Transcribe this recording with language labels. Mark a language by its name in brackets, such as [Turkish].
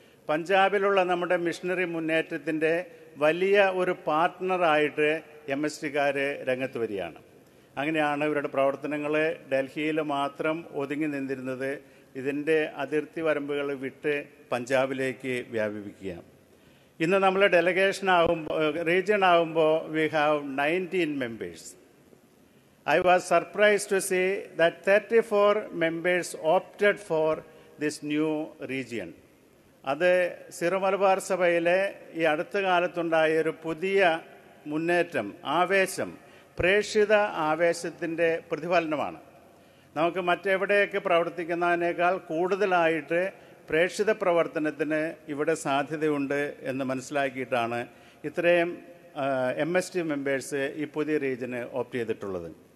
[Malayalam] പഞ്ചാബിലുള്ള നമ്മുടെ മിഷണറി മുന്നേറ്റത്തിൻ്റെ വലിയ ഒരു പാർട്ട്ണറായിട്ട് MST രംഗത്ത് വരികയാണ്. അങ്ങനെയാണ് ഇവരുടെ പ്രവർത്തനങ്ങൾ ഡൽഹിയിൽ മാത്രം ഒതുങ്ങി നിന്നിരുന്നത്, ഇതിൻ്റെ അതിർത്തി വരമ്പുകൾ വിട്ട് പഞ്ചാബിലേക്ക് വ്യാപിപ്പിക്കുക. ഇന്ന് നമ്മൾ ഡെലഗേഷൻ ആകുമ്പോൾ, റീജിയൺ ആകുമ്പോൾ, [English] We have 19 members. I was surprised to see that 34 members opted for this new region. [Malayalam] അത് സിറോ മലബാർ സഭയിലെ ഈ അടുത്ത കാലത്തുണ്ടായ ഒരു പുതിയ മുന്നേറ്റം, ആവേശം, പ്രേക്ഷിത ആവേശത്തിൻ്റെ പ്രതിഫലനമാണ്. നമുക്ക് മറ്റെവിടെയൊക്കെ പ്രവർത്തിക്കുന്നതിനേക്കാൾ കൂടുതലായിട്ട് പ്രേക്ഷിത പ്രവർത്തനത്തിന് ഇവിടെ സാധ്യതയുണ്ട് എന്ന് മനസ്സിലാക്കിയിട്ടാണ് ഇത്രയും MST മെമ്പേഴ്സ് ഈ പുതിയ റീജിയന് ഓപ്റ്റ് ചെയ്തിട്ടുള്ളത്.